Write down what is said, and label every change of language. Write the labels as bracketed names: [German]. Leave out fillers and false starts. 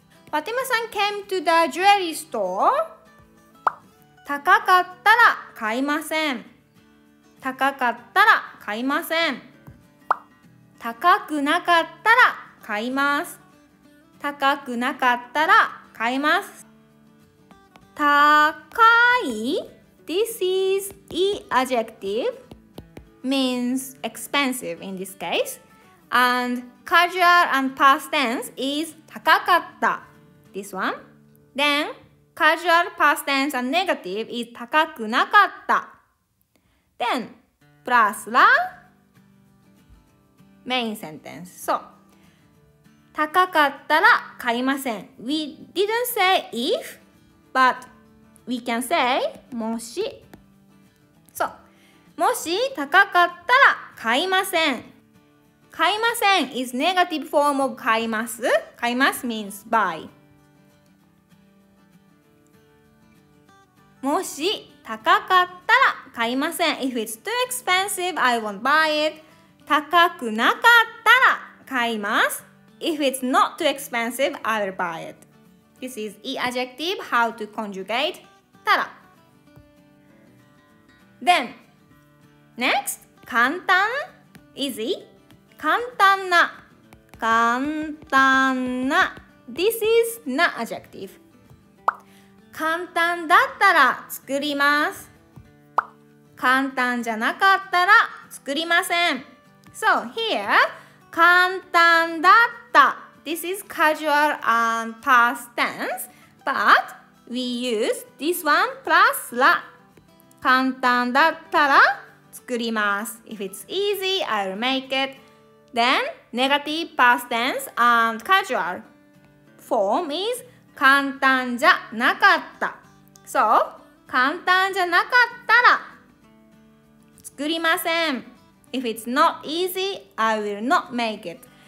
[English] Fatima さん came to the jewelry store. [Japanese] 高かったら買いません。高かったら買いません。高くなかったら買います。高くなかったら買います。 [English] 高い This is e adjective means expensive in this case. And casual and past tense is 高かった This one. Then casual past tense and negative is [Japanese] 高くなかった [English] Then plus laMain sentence. [Japanese] So, 高かったら買いません。 [English] We didn't say if, but we can say もし。 [Japanese] So, もし高かったら買いません。 [English] 買いません is negative form of 買います。買います means buy. [Japanese] もし高かったら買いません。 [English] If it's too expensive, I won't buy it. [Japanese] 高くなかったら買います。 [English] If it's not too expensive, I'll buy it. This is e adjective, how to conjugate たら。 Then, next, 簡単 easy, 簡単な、簡単な。 This is な adjective. [Japanese] 簡単だったら作ります。簡単じゃなかったら作りません。 [English] So here, 簡単だった This is casual and past tense, but we use this one plus [Japanese] ら簡単だったら作ります [English] If it's easy, I'll make it Then, negative past tense and casual form is 簡単じゃなかった。 [Japanese] So, 簡単じゃなかったら作りません。 [English] If it's not easy, I will not make it.